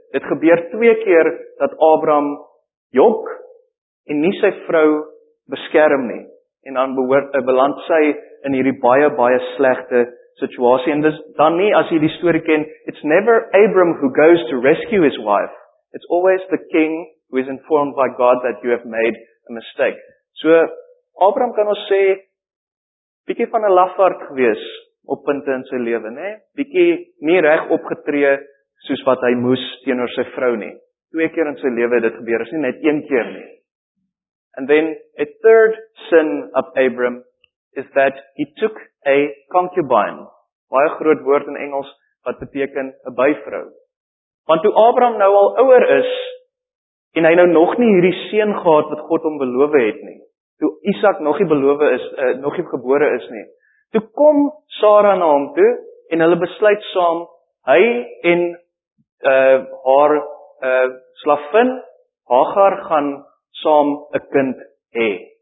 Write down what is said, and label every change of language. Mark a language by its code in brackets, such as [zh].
[af] Dit gebeur twee keer dat Abraham jok en nie sy vrou beskerm nie. En dan behoort beland sy in hierdie baie, baie slegte situasie. En dis dan nie, as jy die story ken, [en] it's never Abram who goes to rescue his wife. It's always the king who is informed by God that you have made a mistake. [af] So, Abram kan ons sê, bietjie van 'n lafaard gewees op punte in sy lewe, nê? Bietjie nie reg opgetree soos wat hy moes teenoor sy vrou nie. Twee keer in sy lewe dit gebeur, is nie net een keer nie. [en] And then, a third sin of Abram, is that he took a concubine. [af] Baie groot woord in Engels, wat beteken 'n byvrou. Want toe Abraham nou al ouer is, en hy nou nog nie hierdie seun gehad wat God hom beloof het nie, toe Isaac nog nie belowe is, nog nie gebore is nie, toe kom Sarah na hom toe, en hulle besluit saam, hy en haar slavin, Hagar, gaan saam 'n kind hê.